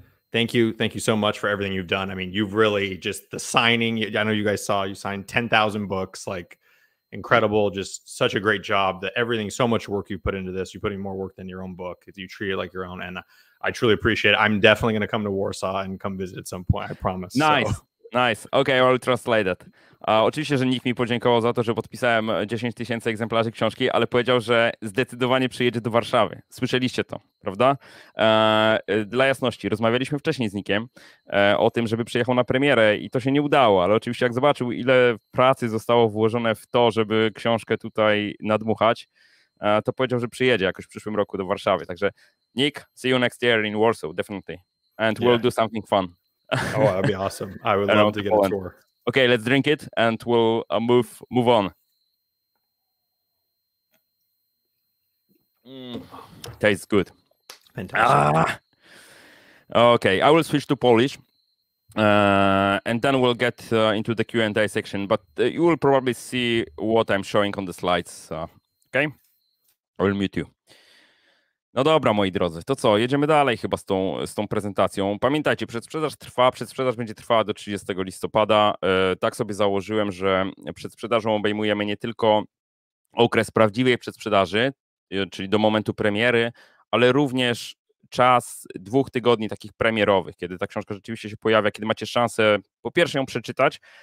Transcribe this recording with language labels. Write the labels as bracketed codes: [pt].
[en] Thank you so much for everything you've done. I mean, you've really just the signing. I know you guys saw you signed 10,000 books, like, incredible, just such a great job. That everything, so much work you put into this. You're putting more work than your own book. You treat it like your own, and I truly appreciate it. I'm definitely going to come to Warsaw and come visit at some point, I promise. Nice. Okay, I will translate that. [pl] Oczywiście, że Nick mi podziękował za to, że podpisałem 10 tysięcy egzemplarzy książki, ale powiedział, że zdecydowanie przyjedzie do Warszawy. Słyszeliście to, prawda? Dla jasności, rozmawialiśmy wcześniej z Nickiem o tym, żeby przyjechał na premierę i to się nie udało, ale oczywiście jak zobaczył, ile pracy zostało włożone w to, żeby książkę tutaj nadmuchać, to powiedział, że przyjedzie jakoś w przyszłym roku do Warszawy. Także [en] Nick, see you next year in Warsaw, definitely. And we'll do something fun. Oh, that'd be awesome. I would love to get a tour. Okay, let's drink it and we'll move on. Tastes good. Fantastic. Okay, I will switch to Polish and then we'll get into the Q&A section, but you will probably see what I'm showing on the slides. Okay, I will mute you. [pl] No dobra, moi drodzy, to co, jedziemy dalej chyba z tą prezentacją. Pamiętajcie, przedsprzedaż trwa, przedsprzedaż będzie trwała do 30 listopada. Tak sobie założyłem, że przedsprzedażą obejmujemy nie tylko okres prawdziwej przedsprzedaży, czyli do momentu premiery, ale również czas dwóch tygodni takich premierowych, kiedy ta książka rzeczywiście się pojawia, kiedy macie szansę po pierwsze ją przeczytać,